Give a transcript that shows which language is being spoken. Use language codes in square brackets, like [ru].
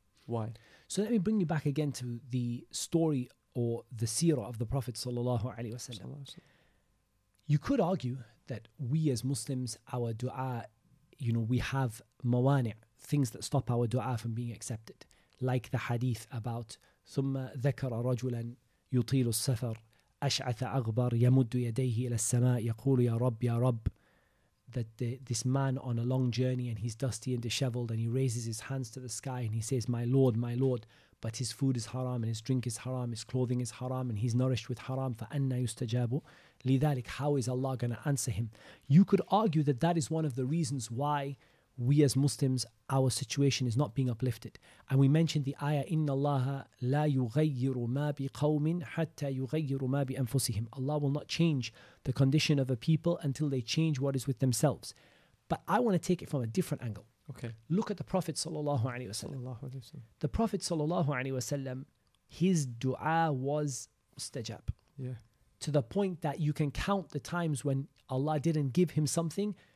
[en] Why? So let me bring you back again to the story or the seerah of the Prophet sallallahu alaihi wasallam. You could argue that we as Muslims, our dua, you know, we have mawani', things that stop our dua from being accepted. Like the hadith about [ar] ثُمَّ ذَكَرَ رَجُلًا يُطِيلُ السَّفَرُ أَشْعَثَ أَغْبَرْ يَمُدُّ يَدَيْهِ إِلَى السَّمَاءِ يَقُولُ يَا رَبِّ يَا رَبِّ. [en] That this man on a long journey, and he's dusty and disheveled, and he raises his hands to the sky and he says, "My Lord, my Lord," but his food is haram and his drink is haram, his clothing is haram, and he's nourished with haram. [ar] فَأَنَّ يُسْتَجَابُ لِذَلِكَ. [en] How is Allah going to answer him? You could argue that that is one of the reasons why we as Muslims, our situation is not being uplifted. And we mentioned the ayah, [ar] إِنَّ اللَّهَ لَا يُغَيِّرُ مَا بِقَوْمٍ حَتَّى يُغَيِّرُ مَا بِأَنفُسِهِمْ. [en] Allah will not change the condition of a people until they change what is with themselves. But I want to take it from a different angle. Okay. Look at the Prophet sallallahu alaihi wasallam. The Prophet sallallahu alaihi wasallam, his dua was mustajab. Yeah. To the point that you can count the times when Allah didn't give him something.